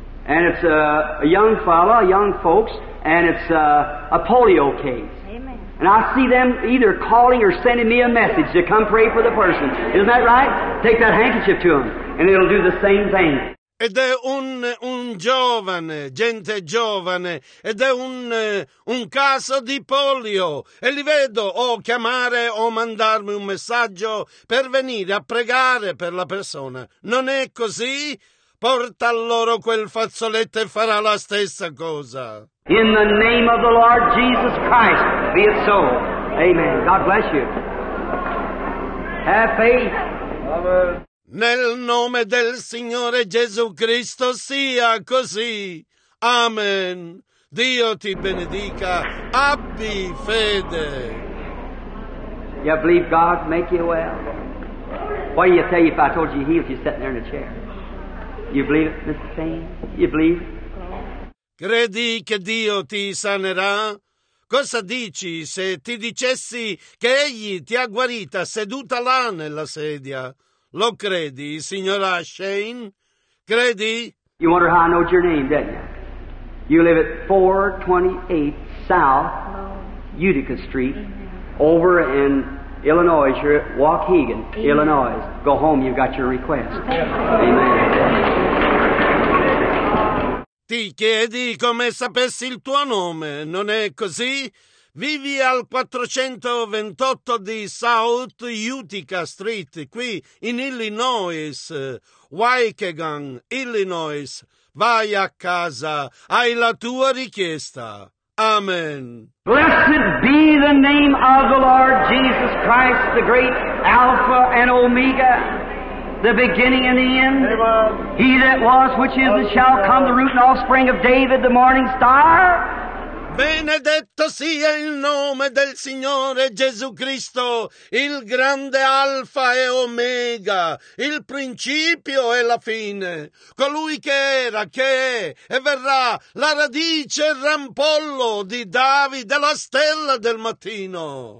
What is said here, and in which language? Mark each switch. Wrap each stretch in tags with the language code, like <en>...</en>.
<en>And it's a young fella, young folks, and it's a polio case. And I see them either calling or sending me a message to come pray for the person. Isn't that right? Take that handkerchief to them, and it'll do the same thing.</en> <it>Ed è un giovane, gente giovane, ed è un caso di polio. E li vedo o chiamare o mandarmi un messaggio per venire a pregare per la persona. Non è così? Porta loro quel fazzoletto e farà la stessa cosa.</it> <en>In the name of the Lord Jesus Christ, be it so. Amen. God bless you. Have faith. Amen.</en> <it>Nel nome del Signore Gesù Cristo sia così. Amen. Dio ti benedica. Abbi fede.</it> <en>You believe God make you well? What do you say if I told you he healed you sitting there in a chair? You believe it, Mr. Payne? You believe?</en> <it>Credi che Dio ti sanerà? Cosa dici se ti dicessi che egli ti ha guarita seduta là nella sedia? Lo credi, signora Shane? Credi?</it> <en>You wonder how I know your name, don't you? You live at 428 South Utica Street, over in Illinois. You're at Waukegan, Amen. Illinois. Go home, you've got your request. Amen.</en> <it>Ti chiedi come sapessi il tuo nome, non è così? Vivi al 428 di South Utica Street, qui in Illinois, Waukegan, Illinois. Vai a casa, hai la tua richiesta. Amen.</it> <en>Blessed be the name of the Lord Jesus Christ, the great Alpha and Omega. The beginning and the end. Amen. He that was, which is, and shall come, the root and offspring of David, the morning star.</en> <it>Benedetto sia il nome del Signore Gesù Cristo, il grande Alfa e Omega, il principio e la fine, colui che era, che è e verrà, la radice e il rampollo di Davide, la stella del mattino.</it>